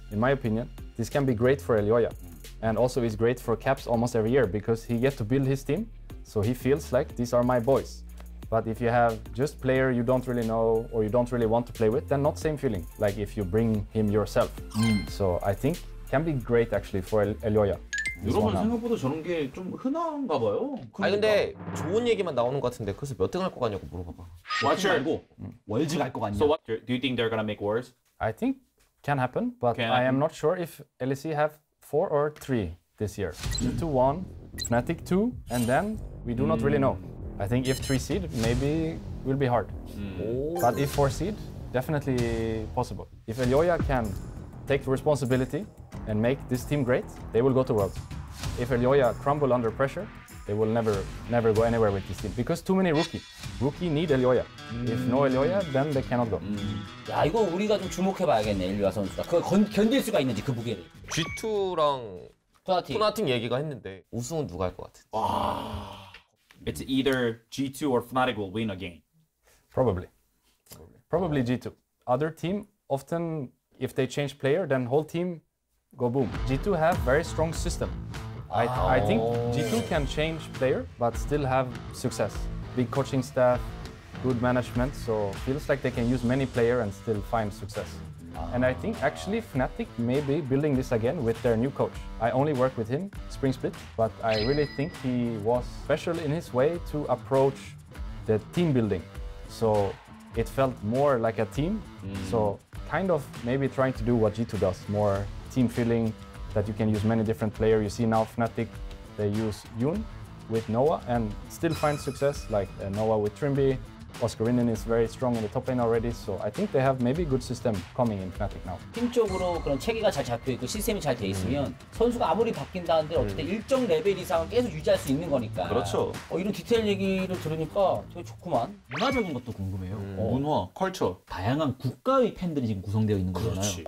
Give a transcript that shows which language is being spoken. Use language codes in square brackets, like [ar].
[en] In my opinion, this can be great for Elioya. And also it's great for Caps almost every year because he gets to build his team, so he feels like these are my boys. But if you have just player you don't really know or you don't really want to play with, then not same feeling, like if you bring him yourself. So I think can be great actually for Elioya. [ko] 여러분 생각보다 저런 게 좀 흔한가 봐요. 아니 근데 좋은 얘기만 나오는 것 같은데 그래서 몇 등 할 것 같냐고 물어봐봐. 월즈 말고 월즈 갈 것 같냐. [en] So what do you think they're gonna make worse? I think can happen, but can I happen? Am not sure if LEC have 4 or 3 this year. G2 1, Fnatic 2, and then we do not really know. I think if 3 seed maybe will be hard. But if 4 seed definitely possible. If Elioya can take the responsibility and make this team great, they will go to Worlds. If Elioya crumble under pressure, they will never go anywhere with this team. Because too many rookie need Elioya. If no Elioya, then they cannot go. [ko] 야, 이거 우리가 좀 주목해봐야겠네, 엘리와 선수가. 견딜 수가 있는지, 그 무게를. G2랑 Fnatic 얘기가 했는데, 우승은 누가 할 것 같은지. 와... [en] It's either G2 or Fnatic will win again. Probably G2. Other team, often, if they change player, then whole team go boom. G2 have very strong system. I think G2 can change player, but still have success. Big coaching staff, good management, so feels like they can use many player and still find success. And I think actually Fnatic may be building this again with their new coach. I only work with him, Spring Split, but I really think he was special in his way to approach the team building. So it felt more like a team. So kind of maybe trying to do what G2 does, more team feeling that you can use many different players. You see now Fnatic, they use Yun with Noah and still find success, like Noah with Trimby, Oscar Rinnan is very strong in the top lane already, so I think they have maybe good system coming in Fnatic now. [ko] 팀적으로 그런 체계가 잘 잡혀 있고 시스템이 잘 돼 있으면 선수가 아무리 바뀐다 한들 어쨌든 일정 레벨 이상은 계속 유지할 수 있는 거니까. 그렇죠. 이런 디테일 얘기를 들으니까 되게 좋구만. 문화적인 것도 궁금해요. 문화, 컬처. 다양한 국가의 팬들이 지금 구성되어 있는 거잖아요. 그렇지.